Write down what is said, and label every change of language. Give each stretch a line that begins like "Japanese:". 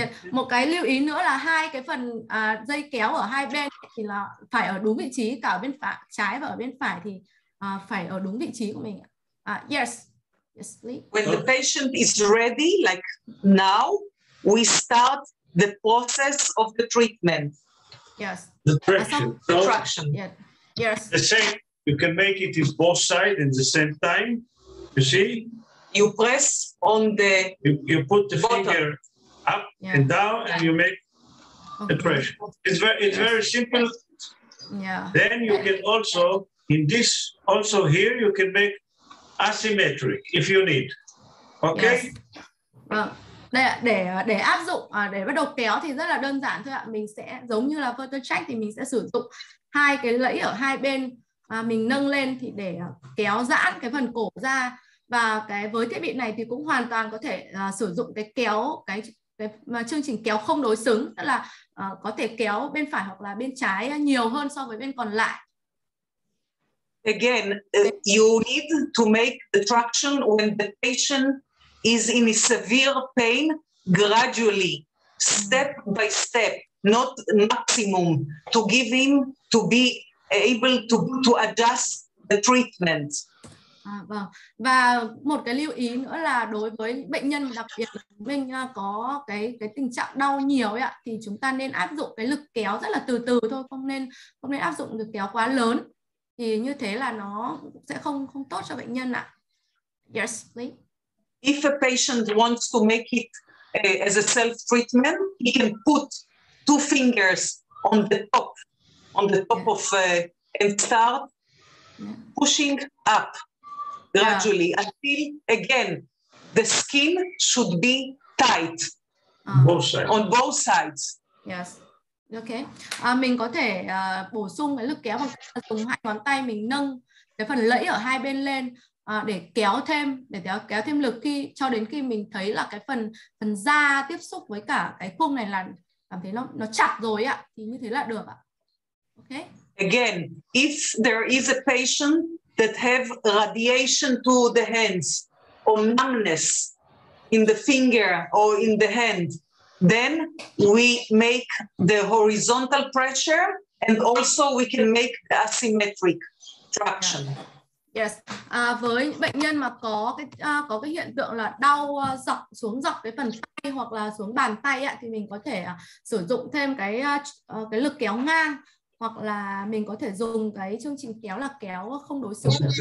Vietnamese: Một cái lưu ý nữa là hai cái phần dây kéo ở hai bên thì là phải ở đúng vị trí, cả ở bên phải, trái và ở bên phải thì phải ở đúng vị trí của mình.
English: Yes, please. When the patient is ready, like now, we start the process of the treatment. Yes. The traction. Traction. Yeah. Yes. The same. You can make it is both sides in the same time. You see? You press on the. You put the bottom. Finger. Up yeah. and down, yeah. and you make the pressure. Okay. It's very simple. Yeah. Then you can also in this also here you can make asymmetric if you need. Okay. Yes.
Vietnamese: Vâng. Đây ạ, để áp dụng để bắt đầu kéo thì rất là đơn giản thôi ạ. Mình sẽ giống như là photo check thì mình sẽ sử dụng hai cái lẫy ở hai bên mình nâng lên thì để kéo giãn cái phần cổ ra. Và cái với thiết bị này thì cũng hoàn toàn có thể sử dụng cái kéo cái mà chương trình kéo không đối xứng, tức là có thể kéo bên phải hoặc là bên trái nhiều hơn so với bên còn lại.
English: Again, you need to make the traction when the patient is in a severe pain gradually, step by step, not maximum, to give him to be able to adjust the treatment.
Vietnamese: Và một cái lưu ý nữa là đối với bệnh nhân đặc biệt mình có cái tình trạng đau nhiều ấy ạ, thì chúng ta nên áp dụng cái lực kéo rất là từ từ thôi, không nên áp dụng lực kéo quá lớn thì như thế là nó sẽ không tốt cho bệnh nhân ạ.
English: Yes, please. If a patient wants to make it as a self treatment, he can put two fingers on the top of and start pushing up. Gradually, until again, the skin should be tight on both sides. Yes. Okay.
Vietnamese: Mình có thể bổ sung cái lực kéo bằng cách dùng hai ngón tay mình nâng cái phần lẫy ở hai bên lên để kéo thêm lực khi cho đến khi mình thấy là cái phần da tiếp xúc với cả cái khung này là cảm thấy nó chặt rồi ạ, thì như thế là được ạ.
English: Okay. Again, if there is a patient that have radiation to the hands or numbness in the finger or in the hand, then we make the horizontal pressure and also we can make the asymmetric traction. Yes,
Vietnamese: với bệnh nhân mà có cái hiện tượng là đau dọc cái phần tay hoặc là xuống bàn tay ạ, thì mình có thể sử dụng thêm cái lực kéo ngang. Hoặc là mình có thể dùng cái chương trình kéo là kéo không đối xứng.